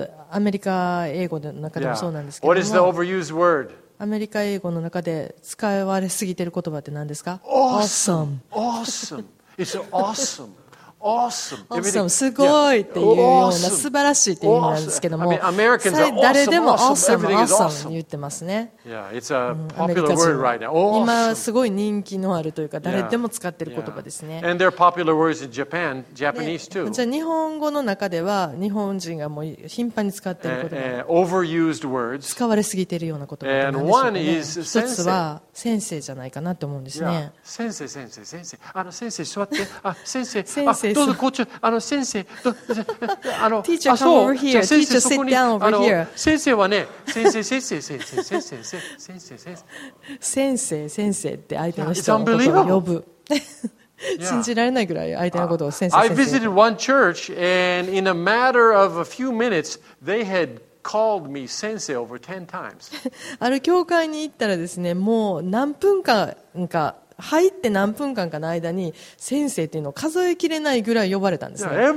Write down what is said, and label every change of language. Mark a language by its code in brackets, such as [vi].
[ja] アメリカ英語の中でもそうなんですけども、アメリカ英語の中で使われすぎている言葉って何ですか？ [en] Awesome, awesome, it's awesome, awesome, [ja] awesome, すごいっていうような素晴らしいっていう意味なんですけども、誰でも [en] awesome, [ja] awesome 言ってますね。 [en] Yeah, it's a popular word right now. [ja] 今すごい人気のあるというか誰でも使ってる言葉ですね。 [en] And they're popular words in Japan, Japanese too. [ja] じゃあ日本語の中では日本人がもう頻繁に使ってる言葉、 [en] overused words, [ja] 使われすぎているような言葉なんでしょうかね。 [en] And one is 先生。 [ja] 一つは先生じゃないかなと思うんですね。先生、先生、先生。あの先生座って。あ、先生。先生。どうぞこっち。あの先生。 [en] あの。Teacher, come over here. Teacher, sit down over here. [ja] 先生はね。先生、先生、先生、先生。先生、先生って相手の人のことを呼ぶ。信じられないぐらい相手のことを先生、 [en] I visited one church and in a matter of a few minutes they had called me 先生 over 10 times. [ja] ある教会に行ったらですね、もう何分間か入って何分間かの間に先生っていうのを数えきれないぐらい呼ばれたんですね。